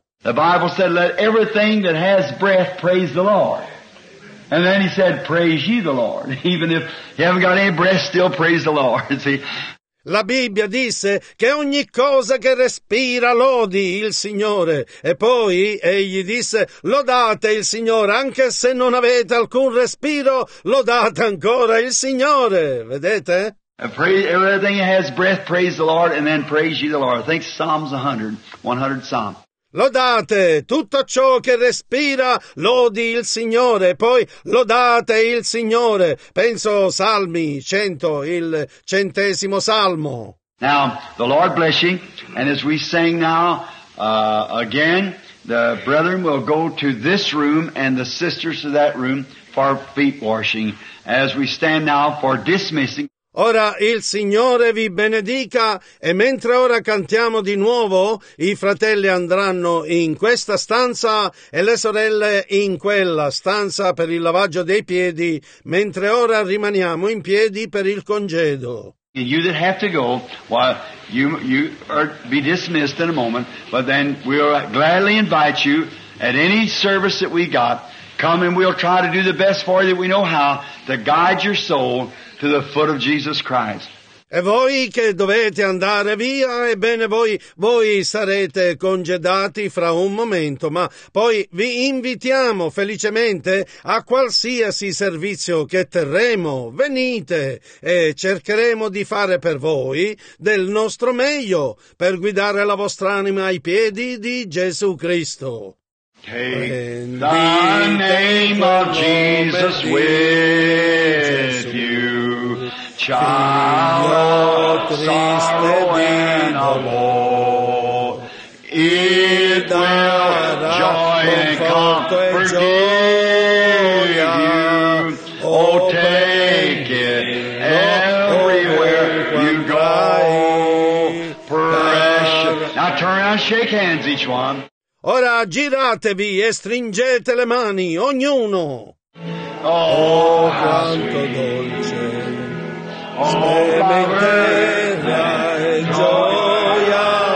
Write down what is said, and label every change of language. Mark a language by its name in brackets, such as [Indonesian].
[English] The Bible said, let everything that has breath praise the Lord. And then he said, praise ye the Lord. Even if you haven't got any breath, still praise the Lord. See? [Italian] La Bibbia disse che ogni cosa che respira lodi il Signore. E poi egli disse, lodate il Signore, anche se non avete alcun respiro, lodate ancora il Signore. Vedete? [English] And praise, everything that has breath, praise the Lord, and then praise ye the Lord. I think Psalms 100, 100 Psalms. [Italian] Lodate tutto ciò che respira, lodi il Signore, poi lodate il Signore. Penso Salmi 100, il centesimo salmo. [English] Now, the Lord bless you, and as we sing now, again, the brethren will go to this room and the sisters to that room for feet washing, as we stand now for dismissing. [Italian] Ora il Signore vi benedica, e mentre ora cantiamo di nuovo, i fratelli andranno in questa stanza e le sorelle in quella stanza per il lavaggio dei piedi, mentre ora rimaniamo in piedi per il congedo. [English] And you that have to go, well, you are be dismissed in a moment, but then we'll gladly invite you at any service that we got. Come and we'll try to do the best for you that we know how to guide your soul to the foot of Jesus Christ. [Italian] E voi che dovete andare via, ebbene voi sarete congedati fra un momento, ma poi vi invitiamo felicemente a qualsiasi servizio che terremo. Venite e cercheremo di fare per voi del nostro meglio per guidare la vostra anima ai piedi di Gesù Cristo. [English] Take the name of Jesus with you, child of sorrow and of woe. It will joy and comfort give you. Oh, take it everywhere you go. Precious. Now turn around, shake hands, each one. [Italian] Ora giratevi e stringete le mani, ognuno. Oh, quanto dolce, sementerà e gioia.